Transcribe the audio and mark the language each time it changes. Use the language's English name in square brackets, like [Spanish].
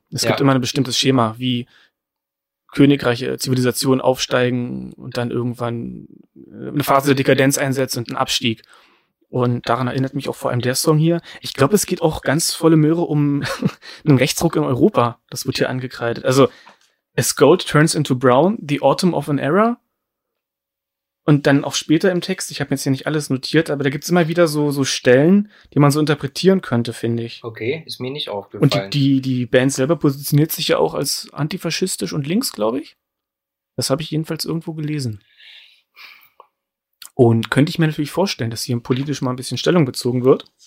[German] Es gibt immer ein bestimmtes Schema, wie Königreiche, Zivilisationen aufsteigen und dann irgendwann eine Phase der Dekadenz einsetzt und ein Abstieg. Und daran erinnert mich auch vor allem der Song hier. Ich glaube, es geht auch ganz volle Möhre um einen Rechtsruck in Europa. Das wird hier angekreidet. [English] Also, as gold turns into brown, the autumn of an era. [German] Und dann auch später im Text, ich habe jetzt hier nicht alles notiert, aber da gibt's immer wieder so Stellen, die man so interpretieren könnte, finde ich. Okay, ist mir nicht aufgefallen. Und die Band selber positioniert sich ja auch als antifaschistisch und links, glaube ich. Das habe ich jedenfalls irgendwo gelesen. Und könnte ich mir natürlich vorstellen, dass hier politisch mal ein bisschen Stellung bezogen wird.